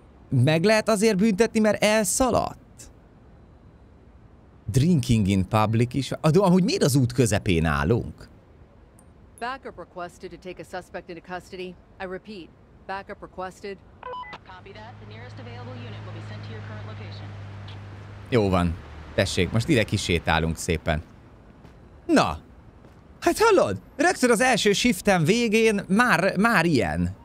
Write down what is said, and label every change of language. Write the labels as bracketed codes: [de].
[hu] Meg lehet azért büntetni, mert elszaladt. [en] Drinking in public is. [hu] Amúgy miért az út közepén állunk? [en] Backup requested to take a suspect into custody. I repeat, backup requested. Copy that. The nearest available unit will be sent to your current location. [hu] Jó van. Tessék, most ide kisétálunk szépen. Na! Hát hallod? Rögtön az első shiftem végén már ilyen.